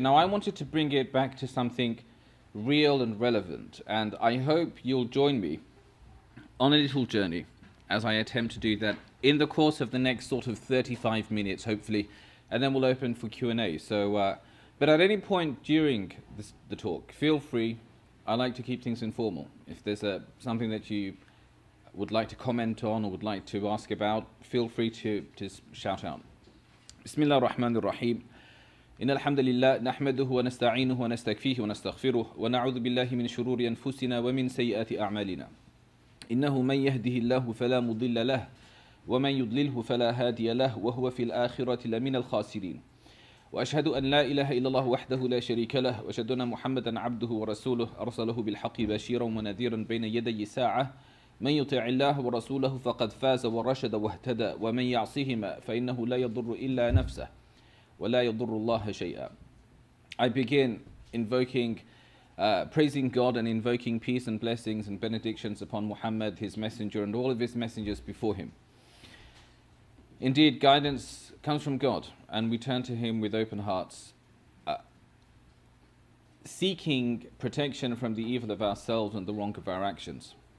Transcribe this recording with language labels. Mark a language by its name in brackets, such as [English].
[English] Now I wanted to bring it back to something real and relevant, and I hope you'll join me on a little journey as I attempt to do that in the course of the next sort of 35 minutes, hopefully, and then we'll open for Q&A. But at any point during the talk, feel free. I like to keep things informal. If there's something that you would like to comment on or would like to ask about, feel free to shout out. [Arabic] Bismillah ar-Rahman ar-Rahim. إن الحمد لله نحمده ونستعينه ونستكفيه ونستغفره ونعوذ بالله من شرور أنفسنا ومن سيئات أعمالنا إنه من يهده الله فلا مضل له ومن يضلله فلا هادي له وهو في الآخرة لمن الخاسرين وأشهد أن لا إله إلا الله وحده لا شريك له وأشهد أن محمدا عبده ورسوله أرسله بالحق بشيرا ونذيرا بين يدي ساعة من يطع الله ورسوله فقد فاز ورشد واهتدى ومن يعصهما فإنه لا يضر إلا نفسه وَلَا يَضُرُّ اللَّهَ شَيْئًا. [English] I begin invoking, praising God and invoking peace and blessings and benedictions upon Muhammad, his messenger, and all of his messengers before him. Indeed, guidance comes from God, and we turn to him with open hearts, seeking protection from the evil of ourselves and the wrong of our actions.